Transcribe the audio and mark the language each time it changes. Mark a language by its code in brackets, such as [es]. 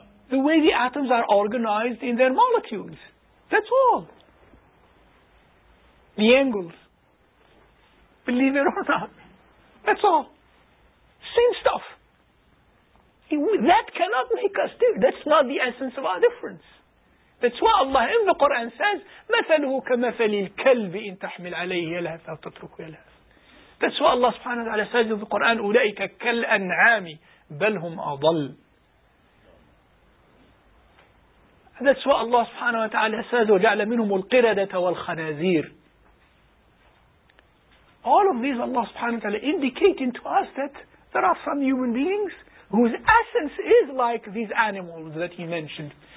[en] The way the atoms are organized in their molecules. That's all. The angles, believe it or not, that's all. Same stuff. That cannot make us different. That's not the essence of our difference. That's why Allah in the Quran says, [ar] مَثَلُهُ كَمَثَلِ الْكَلْبِ إِن تَحْمِلْ عَلَيْهِ يَلْهَثْ أَوْ تَتْرُكُ يَلْهَثْ. [en] That's why Allah subhanahu wa ta'ala says in the Quran, [ar] أُولَئِكَ كَالْأَنْعَامِ بَلْ هُمْ أَضَلُّ. [en] That's why Allah subhanahu wa ta'ala says, [ar] وَجَعْلَ مِنْهُمُ الْقِرَدَةَ وَالْخَنَازِيرِ. [en] All of these Allah subhanahu wa ta'ala indicating to us that there are some human beings whose essence is like these animals that he mentioned.